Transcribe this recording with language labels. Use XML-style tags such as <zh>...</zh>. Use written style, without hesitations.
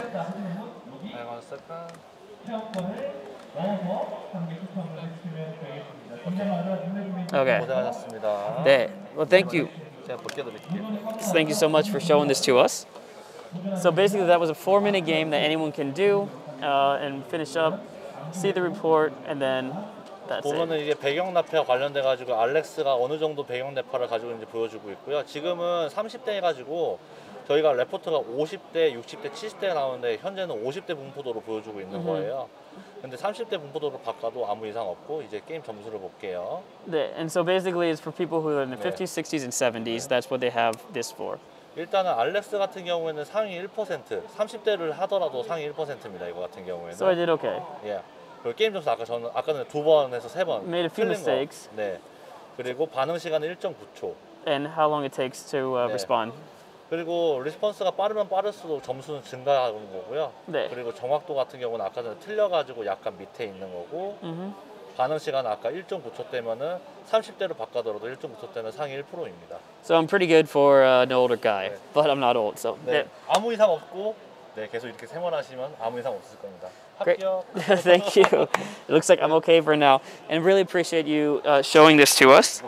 <en>Hang on a second. Okay.</en> <ko>고생하셨습니다.</ko> <en>네. Well, thank you.</en> <ko>제가 벗겨도 드릴게요.</ko> <en>So thank you so much for showing this to us. So basically, that was a 4-minute game that anyone can do and finish up, see the report, and then that's it.</en> <ko>보면은 이게 배경 납회와 관련돼 가지고 알렉스가 어느 정도 배경 납회를 가지고 이제 보여주고 있고요. 지금은 30대 해가지고 저희가 레포트가 50대, 60대, 70대 나오는데 현재는 50대 분포도로 보여주고 있는 거예요. 근데 30대 분포도로 바꿔도 아무 이상 없고 이제 게임 점수를 볼게요.</ko> <en>네, and so basically it's for people who are in the 50s, 60s, and 70s. 네. That's what they have this for.</en> <ko>일단은 알렉스 같은 경우에는 상위 1%, 30대를 하더라도 상위 1%입니다. 이거 같은 경우에는.</ko> <en>So I did okay.</en> <ko>예. 그리고 게임 점수 아까 저는 아까는 두 번에서 세 번.</ko> <en>Made a few mistakes.</en> <ko>네. 그리고 반응 시간은 1.9초.</ko> <en>And how long it takes to respond.</en> <ko>그리고 리스폰스가 빠르면 빠를수록 점수는 증가하는 거고요. 네. 그리고 정확도 같은 경우는 아까 전에 틀려가지고 약간 밑에 있는 거고. 반응 시간 아까 1.9초 때면은 30대로 바꿔더라도 1.9초 때는 상위 1%입니다.</ko> <en>So I'm pretty good for an older guy, 네. but I'm not old. So</en> <ko>네. 네. 아무 이상 없고 네 계속 이렇게 생활하시면 아무 이상 없을 겁니다.</ko> <en>Great. Thank you. It looks like I'm okay for now, and really appreciate you showing this to us.</en>